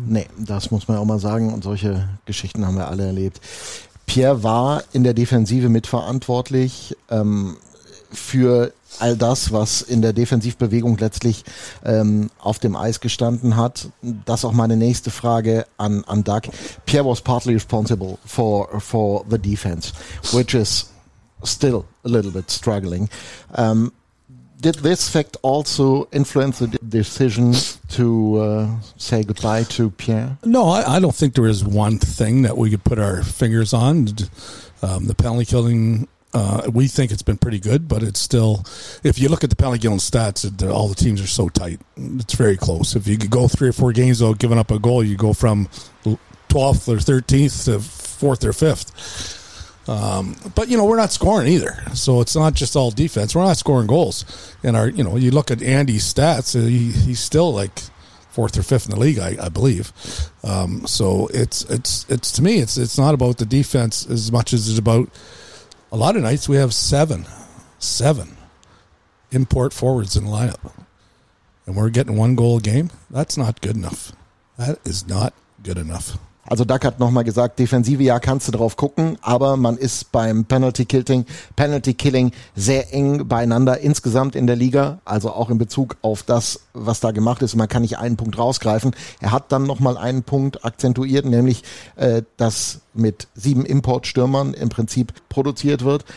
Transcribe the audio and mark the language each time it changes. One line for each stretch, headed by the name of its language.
German: Nee, das muss man auch mal sagen. Und solche Geschichten haben wir alle erlebt. Pierre war in der Defensive mitverantwortlich für all das, was in der Defensivbewegung letztlich auf dem Eis gestanden hat. Das auch meine nächste Frage an Doug.
English: Pierre was partly responsible for the defense, which is still a little bit struggling. Did this fact also influence the decision to say goodbye to Pierre? No, I don't think there is one thing that we could put our fingers on. The penalty killing. We think it's been pretty good, but it's still, if you look at the penalty killing stats, all the teams are so tight. It's very close. If you could go three or four games without giving up a goal, you go from 12th or 13th to 4th or 5th. But, you know, we're not scoring either. So it's not just all defense. We're not scoring goals. And, you look at Andy's stats, he's still like 4th or 5th in the league, I believe. So it's to me, it's not about the defense as much as it's about. A lot of nights we have seven import forwards in the lineup, and we're getting one goal a game. That's not good enough. That is not good enough.
German: Also Doug hat nochmal gesagt, Defensive, ja, kannst du drauf gucken, aber man ist beim Penalty Killing sehr eng beieinander insgesamt in der Liga, also auch in Bezug auf das, was da gemacht ist. Man kann nicht einen Punkt rausgreifen. Er hat dann nochmal einen Punkt akzentuiert, nämlich, dass mit 7 Importstürmern im Prinzip produziert wird.